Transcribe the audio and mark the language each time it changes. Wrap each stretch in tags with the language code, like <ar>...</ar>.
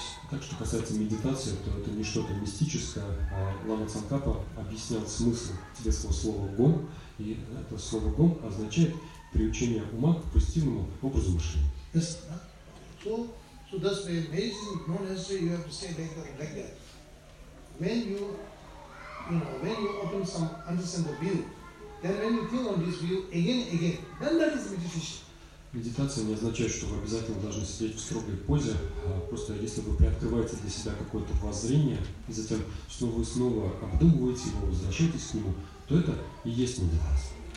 <ru>Так что касается медитации, то это не что-то мистическое. Лама Цанкапа объяснял смысл тибетского слова «гом», и это слово «гом» означает приучение ума к позитивному образу мышления.</ru> <en>Yes. So that's very amazing. Not necessarily you have to say like that. When you open some understand the view, then when you think on this view again, then that is meditation.</en> <ru>Медитация не означает, что вы обязательно должны сидеть в строгой позе. Просто если вы приоткрываете для себя какое-то воззрение, и затем снова и снова обдумываете его, возвращаетесь к нему, то это и есть медитация.</ru>